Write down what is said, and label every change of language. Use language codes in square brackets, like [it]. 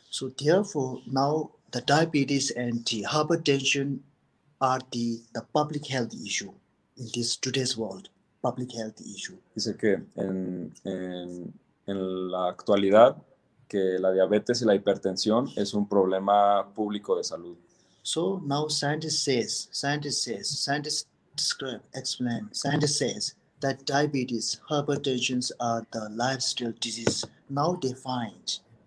[en] So therefore, now the diabetes and the hypertension are the public health issue in this today's world. Public health issue. [es] Dice que en la actualidad que la diabetes y la hipertensión es un problema público de salud. [en] So now scientists say that diabetes, hypertension are the lifestyle disease now defined.